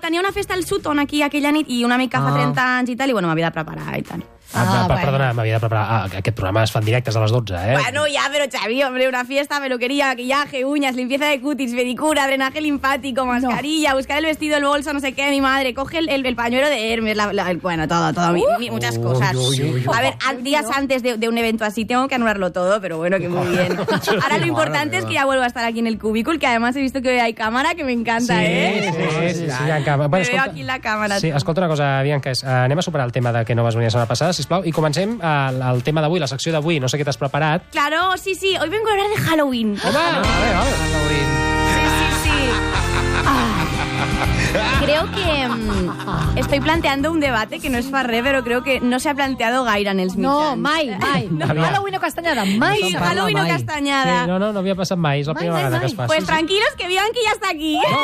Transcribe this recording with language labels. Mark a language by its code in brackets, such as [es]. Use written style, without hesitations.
[ca] tenia una festa al Sutton aquí aquella nit i una mica fa 30 anys i tal, i bueno, m'havia de preparar i tant. M'havia de preparar. Aquest programa es fa en directes a les 12, eh? Bueno, ja, però Xavi, [es] hombre, una fiesta, peluquería, maquillaje, uñas, limpieza de cutis, pedicura, drenaje linfático, mascarilla, buscar el vestido, el bolso, no sé qué, mi madre, coge el pañuelo de Hermes, todo, muchas cosas. Días antes de un evento así, tengo que anularlo todo, pero bueno, que muy bien. Ahora lo importante es que ya vuelvo a estar aquí en el cubículo, que además he visto que hay cámara, que me encanta, sí, ¿eh? Sí, Bianca. [ca] Bueno, escolta, aquí la cámara. Sí, escolta una cosa, Bianca, anem a superar el tema de que no vas venir la setmana passada, sisplau, i comencem el tema d'avui, la secció d'avui. No sé què t'has preparat. [es] Claro, sí. Hoy vengo a hablar de Halloween. [ca] Home, Halloween. Sí. [es] Creo que estoy planteando un debate que no es farré, pero creo que no se ha planteado [ca] gaire en els mitjans. No, mai. Halloween o castanyada, mai. Halloween o castanyada. Sí, no havia passat mai, és la primera vegada que es passa. [es] Pues tranquilos, que Bianchi [ca] ja està aquí.